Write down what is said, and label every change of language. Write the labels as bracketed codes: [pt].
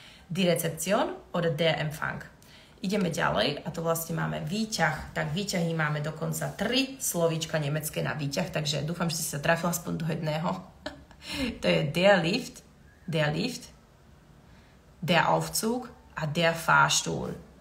[de] Die Rezeption oder der Empfang. [sk] Ideme ďalej a to vlastne máme výťah. Tak výťahy máme dokonca 3 slovíčka nemecké na výťah, takže dúfam, že si sa trafil aspoň do jedného. [de] To je der Lift, der Aufzug a der Fahrstuhl.